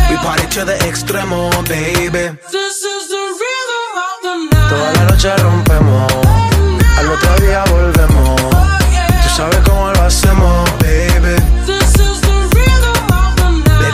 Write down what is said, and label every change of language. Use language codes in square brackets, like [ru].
[en] We party to the extremo, baby. This is the rhythm of the night. [es] Toda la noche rompemos. [en] Tonight. [es] Al otro día volvemos. [en] Oh, yeah. [es] Tú sabes cómo lo hacemos, baby. [en] This is the rhythm of the night.